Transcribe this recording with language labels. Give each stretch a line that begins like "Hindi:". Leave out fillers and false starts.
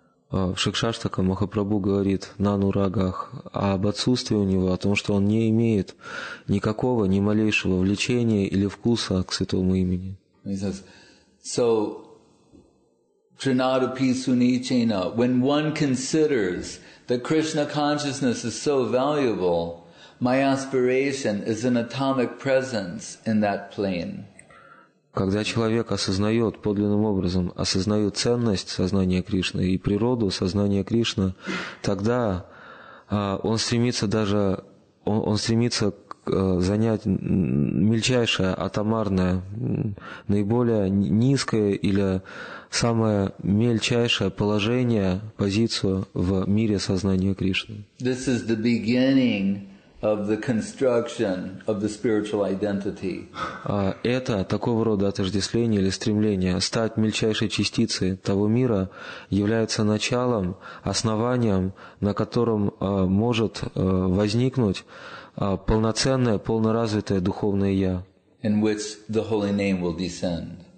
Russian: В Шикшаштакам Махапрабху говорит на нурагах об отсутствии у него, о том, что он не имеет никакого, ни малейшего влечения или вкуса к святому имени.
English: He says, so,
Sanskrit: Trinadapi sunichena,
English: when one considers that Krishna consciousness is so valuable, my aspiration is an atomic presence in that plane.
Russian: Когда человек осознает подлинным образом, осознает ценность сознания Кришны и природу сознания Кришны, тогда он стремится даже он стремится занять мельчайшее, атомарное, наиболее низкое или самое мельчайшее положение, позицию в мире сознания Кришны.
English: This is the beginning of the construction of the spiritual identity.
Russian: Это такого рода отождествление или стремление стать мельчайшей частицей того мира является началом, основанием, на котором может возникнуть полноценное, полноразвитое духовное я.
English: In which the holy name will descend.